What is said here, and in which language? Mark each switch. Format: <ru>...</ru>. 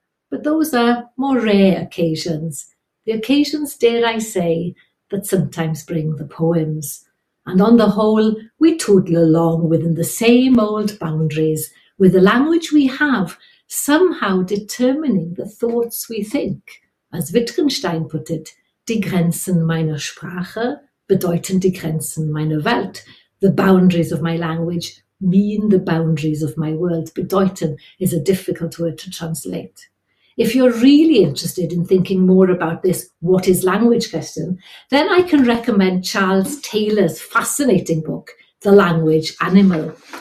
<en>But those are more rare occasions. The occasions, dare I say, that sometimes bring the poems. And on the whole, we toodle along within the same old boundaries, with the language we have somehow determining the thoughts we think. As Wittgenstein put it,</en> <de>die Grenzen meiner Sprache bedeuten die Grenzen meiner Welt.</de> <en>The boundaries of my language mean the boundaries of my world. Bedeuten is a difficult word to translate. If you're really interested in thinking more about this what is language question, then I can recommend Charles Taylor's fascinating book, The Language Animal.</en>